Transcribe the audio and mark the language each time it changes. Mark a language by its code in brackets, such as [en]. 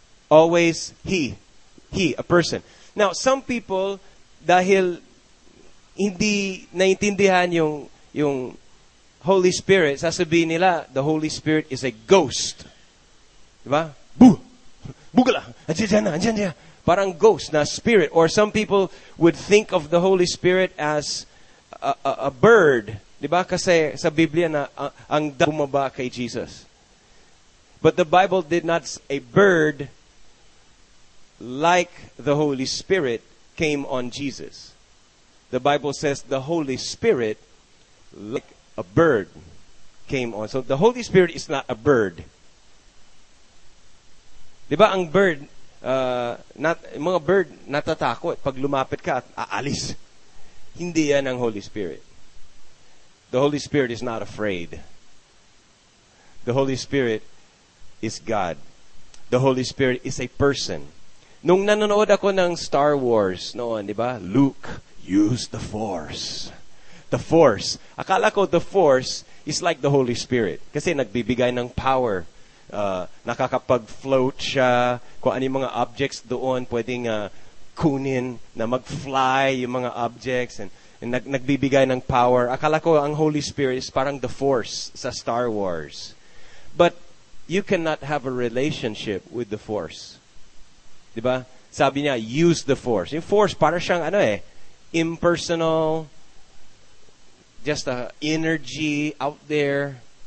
[en] Always He. He, a person. Now, some people, [tl] dahil hindi naintindihan yung Holy Spirit, sasabihin nila, [en] the Holy Spirit is a ghost. [tl] Diba? Boo! Bugala! Andiyan. Parang ghost na spirit. [en] Or some people would think of the Holy Spirit as a bird. [tl] Diba? Kasi sa Biblia na ang bumaba kay Jesus. [en] But the Bible did not say a bird like the Holy Spirit came on Jesus. The Bible says the Holy Spirit like a bird came on. So the Holy Spirit is not a bird. [tl] Diba ang bird, mga bird natatakot pag lumapit ka at aalis. Hindi yan ang [en] Holy Spirit. The Holy Spirit is not afraid. The Holy Spirit is God. The Holy Spirit is a person. [tl] Nung nanonood ako ng Star Wars noon, di ba? [en] Luke, use the Force. The Force. [tl] Akala ko [en] the Force is like the Holy Spirit. [tl] Kasi nagbibigay ng power. Nakakapag-float siya. Kung ano yung mga objects doon, pwedeng kunin na mag-fly yung mga objects. And nagbibigay ng power. Akala ko ang Holy Spirit is parang the Force sa Star Wars. [en] But you cannot have a relationship with the Force. [tl] Diba? Sabi niya, [en] use the Force. [tl] Yung Force, para siyang ano eh, impersonal, [en] just a energy out there.